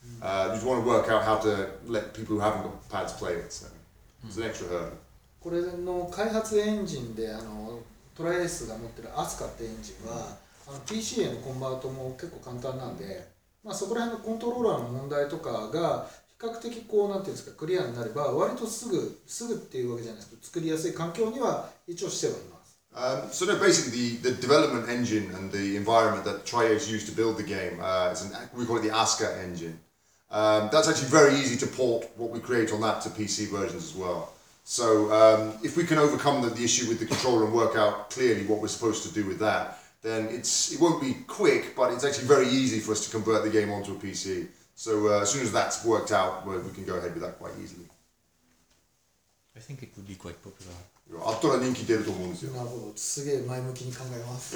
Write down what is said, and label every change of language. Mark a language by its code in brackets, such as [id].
[en] We just want to work out how to let people who haven't got pads play it. So it's an extra hurdle. [ja] これの開発エンジンで、トライエースが持ってるアスカってエンジンは、PC へのコンバートも結構簡単なんで、まあ、そこら辺のコントローラーの問題とかが比較的こうなんていうんですかクリアになれば割とすぐっていうわけじゃないですけど作りやすい環境には一応してはいます。 [en] So now basically the development engine and the environment that Triage used to build the game, we call it the ASCA engine. That's actually very easy to port what we create on that to PC versions as well. So if we can overcome the issue with the controller and work out clearly what we're supposed to do with that,then it won't be quick, but it's actually very easy for us to convert the game onto a PC. So as soon as that's worked out, we can go ahead with that quite easily. I think it would be quite popular. [ja] あったら人気出ると思うんですよ。なるほど。すげえ前向きに考えます。